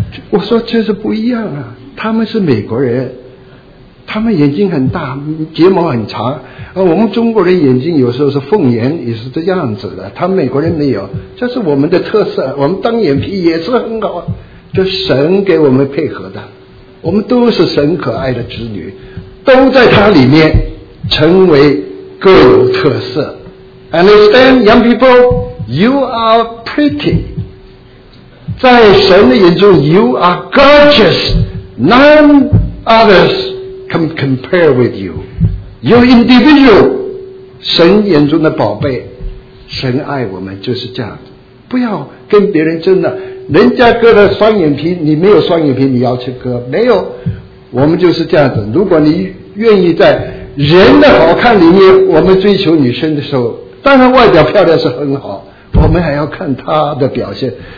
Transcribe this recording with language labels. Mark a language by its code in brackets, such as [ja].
[zh] 我说这是不一样啊。他们是美国人，他们眼睛很大，睫毛很长，而我们中国人眼睛有时候是凤眼，也是这样子的。他们美国人没有，这是我们的特色。我们当眼皮也是很好，就神给我们配合的，我们都是神可爱的子女，都在他里面成为各有特色。 [en] Understand young people, you are pretty, [zh] 在神的眼中 [en] you are gorgeousNone others can compare with you. You're individual. [zh] 神眼中的宝贝，神爱我们就是这样子。不要跟别人争了，人家割了双眼皮，你没有双眼皮，你要去割？没有，我们就是这样子。如果你愿意在人的好看里面，我们追求女生的时候，当然外表漂亮是很好，我们还要看她的表现。